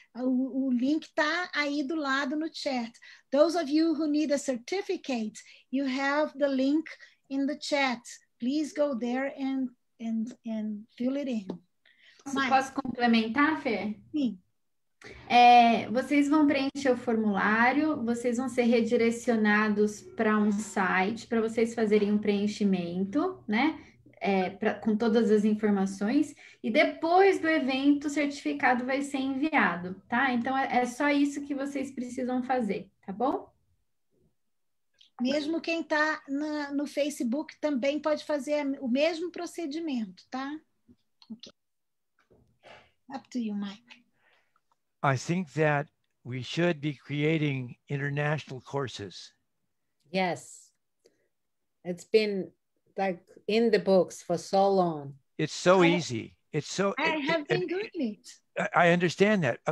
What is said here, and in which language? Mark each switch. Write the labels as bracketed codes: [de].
[pt] O link está aí do lado no chat. [en] Those of you who need a certificate, you have the link in the chat. Please go there and fill it in. [pt] Mas, posso complementar, Fê? Sim. É, vocês vão preencher o formulário, vocês vão ser redirecionados para um site para vocês fazerem um preenchimento, né? Com todas as informações. E depois do evento, o certificado vai ser enviado, tá? Então, é só isso que vocês precisam fazer, tá bom? Mesmo quem está no Facebook também pode fazer o mesmo procedimento, tá? [en] Ok. Up to you, Mike. I think that we should be creating international courses. Yes. It's been like in the books for so long. It's so easy. I have been doing it. I understand that.